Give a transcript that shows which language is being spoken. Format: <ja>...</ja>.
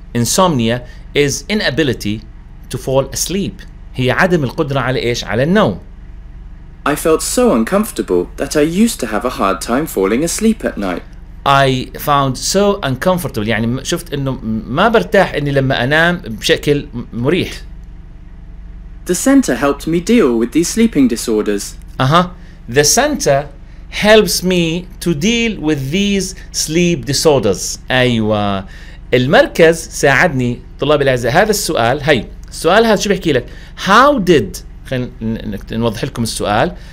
<en>Insomnia is inability to fall asleep.</en> <ar>هي عدم القدرة على إيش؟ على النوم.</ar> <en>I felt so uncomfortable that I used to have a hard time falling asleep at night. I found so uncomfortable.</en> <ar>يعني شفت إنه ما برتاح إني لما أنام بشكل مريح.</ar> <en>The center helped me deal with these sleeping disorders. The center helps me to deal with these sleep disorders.</en> <ar>أيوة. المركز ساعدني. طلاب الأعزاء هذا السؤال. هاي. السؤال هذا شو بيحكي لك؟</ar> <en>How did</en> <ar>خلينا نوضح لكم السؤال.</ar>